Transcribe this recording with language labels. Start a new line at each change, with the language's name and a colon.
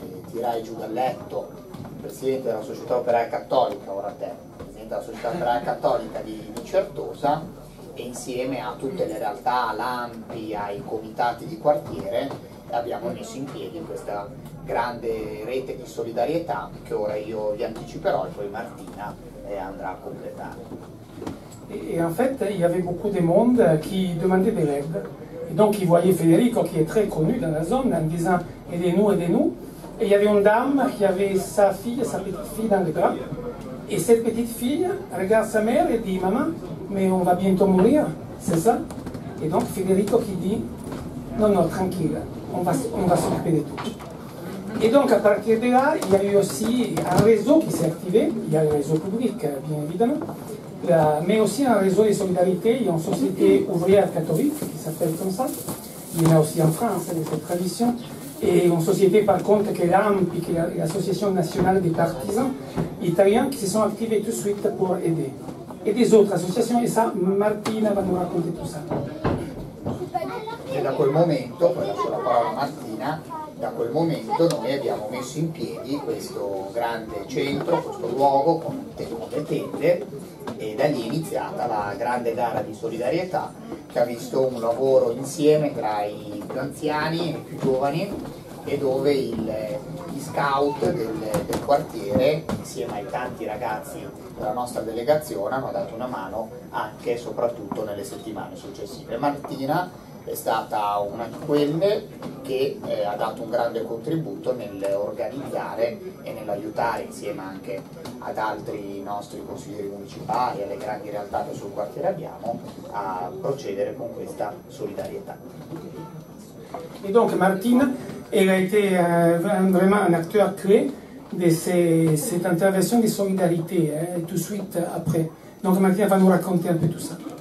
Italian: tirai giù dal letto il presidente della società operaia cattolica, ora te, il presidente della società operaia cattolica di Certosa, e insieme a tutte le realtà, all'ANPI, ai comitati di quartiere, abbiamo messo in piedi questa grande rete di solidarietà che ora io vi anticiperò e poi Martina andrà a completare.
French: E in fait, il y avait beaucoup de monde qui demandait de l'aide. E donc, il voyait Federico, qui est très connu dans la zone, en disant: aidez-nous. Et il y avait une dame qui avait sa petite fille dans les bras. Et cette petite fille regarde sa mère et dit: maman, mais on va bientôt mourir, c'est ça? Et donc Federico qui dit: non, tranquille, on va s'occuper de tout. Et donc à partir de là, il y a eu aussi un réseau qui s'est activé, il y a le réseau public bien évidemment, mais aussi un réseau de solidarité, il y a une société ouvrière catholique qui s'appelle comme ça, il y en a aussi en France de cette tradition. Et une société par contre qui est l'AMPI, qui est l'Association Nationale des Partisans Italiens, qui se sont activés tout de suite pour aider. Et des autres associations, et ça, Martina va nous raconter tout ça.
Italian: Et da quel momento, poi lascio la parola a Martina, da quel momento noi abbiamo messo in piedi questo grande centro, questo luogo con delle tende, e da lì è iniziata la grande gara di solidarietà che ha visto un lavoro insieme tra i più anziani e i più giovani, e dove gli scout del quartiere insieme ai tanti ragazzi della nostra delegazione hanno dato una mano anche e soprattutto nelle settimane successive. Martina è stata una di quelle che ha dato un grande contributo nell'organizzare e nell'aiutare insieme anche ad altri nostri consiglieri municipali, alle grandi realtà che sul quartiere abbiamo, a procedere con questa solidarietà. E dunque
French: Martina, elle a été vraiment un acteur clé de cette intervention de solidarité, hein, tout de suite après. Donc Martina va nous raconter un peu tout ça.